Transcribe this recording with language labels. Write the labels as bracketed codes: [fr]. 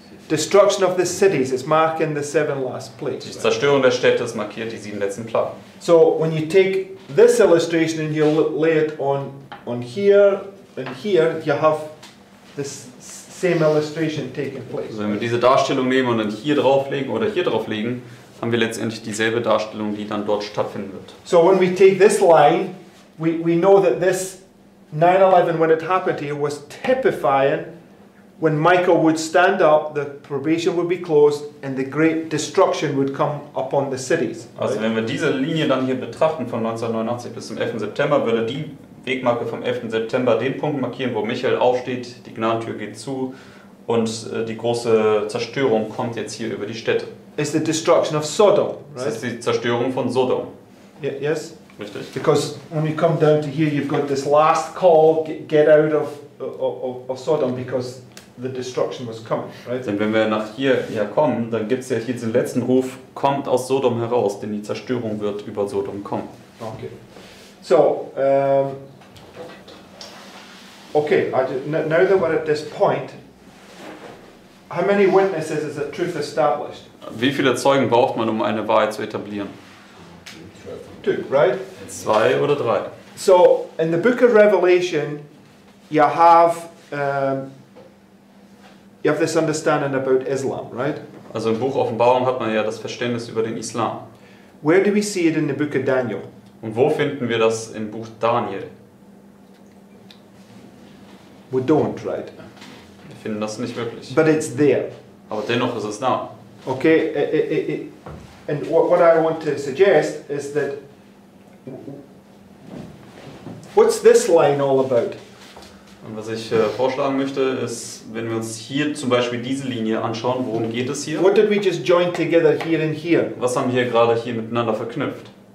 [en] Destruction of the cities is marking the seven last plagues. [de] Die Zerstörung der Städte ist markiert die sieben letzten Plagen. [en] So when you take this illustration and you lay it on here and here, you have this same illustration taking place. [de] Also wenn wir diese Darstellung nehmen und dann hier drauflegen oder hier drauflegen, haben wir letztendlich dieselbe Darstellung, die dann dort stattfinden wird. [en] So when we take this line, we know that this 9/11 when it happened here was typifying. When Michael would stand up, the probation would be closed and the great destruction would come upon the cities. Right? [de] Also wenn wir diese Linie dann hier betrachten von 1989 bis zum 11. September, würde die Wegmarke vom 11. September den Punkt markieren, wo Michael aufsteht, die Gnadentür geht zu und die große Zerstörung kommt jetzt hier über die Städte. [en] It's the destruction of Sodom, right? [de] Das ist die Zerstörung von Sodom. [en] Yeah, yes. [de] Richtig. [en] Because when you come down to here, you've got this last call, get out of Sodom, because the destruction was coming, right? [de] Denn wenn wir nach hier ja kommen, dann gibt es ja hier diesen letzten Ruf, kommt aus Sodom heraus, denn die Zerstörung wird über Sodom kommen. [en] Okay. So, okay, now that we're at this point, how many witnesses is the truth established? [de] Wie viele Zeugen braucht man, um eine Wahrheit zu etablieren? [en] Two, right? [de] Zwei oder drei. [en] So, in the book of Revelation, you have this understanding about Islam, right? [de] Also im Buch Offenbarung hat man ja das Verständnis über den Islam. [en] Where do we see it in the book of Daniel? [de] Und wo finden wir das im Buch Daniel? [en] We don't, right? [de] Wir finden das nicht wirklich. [en] But it's there. [de] Aber dennoch ist es da. [en] Okay, and what I want to suggest is that what's this line all about? [de] Und was ich vorschlagen möchte, ist, wenn wir uns hier zum Beispiel diese Linie anschauen, worum geht es hier? [en] What did we just join together here and here? [de] Was haben wir hier gerade hier miteinander verknüpft?